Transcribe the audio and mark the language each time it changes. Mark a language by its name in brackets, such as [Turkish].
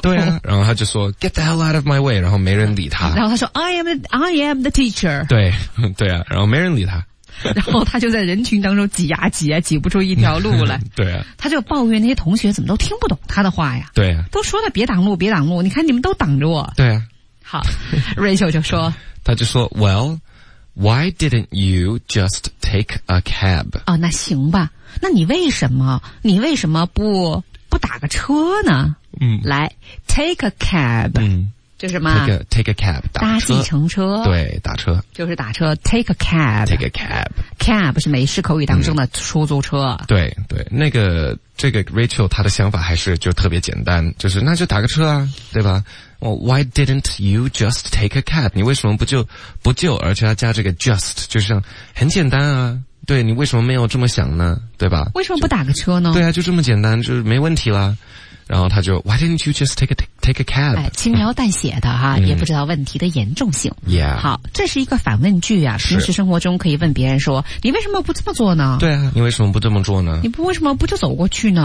[Chinese] 对啊。然后他就说 , [English] get the hell out of my way, [Chinese] 然后没人理他。然后他说 [English] ,I am the teacher. [Chinese] 对对啊然后没人理他。然后他就在人群当中挤呀挤呀，挤不出一条路来。对啊，他就抱怨那些同学怎么都听不懂他的话呀。对啊，都说他别挡路别挡路，你看你们都挡着我。对啊。好， Rachel 就说，他就说 [English] Well, why didn't you just take a cab? [Chinese] 哦，那行吧，那你为什么不打个车呢？嗯， [English] 来 take a cab。嗯， [Chinese] 就是什么 [English] take a cab [Chinese] 搭计程车，对，打车就是打车 [English] take a cab cab [Chinese] 是美式口语当中的出租车。对对，那个这个 Rachel 她的想法还是就特别简单，就是那就打个车啊，对吧？ [English] Well, why didn't you just take a cab? [Chinese] 你为什么不就而且要加这个 just, 就是很简单啊，对，你为什么没有这么想呢？对吧？为什么不打个车呢？对啊，就这么简单，就是没问题啦。然后他就 [English] Why didn't you just take a cab? [Chinese] 哎，轻描淡写的哈，也不知道问题的严重性。 [English] Yeah. [Chinese] 好，这是一个反问句啊，平时生活中可以问别人说你为什么不这么做呢？对啊，你为什么不这么做呢？你不为什么不就走过去呢？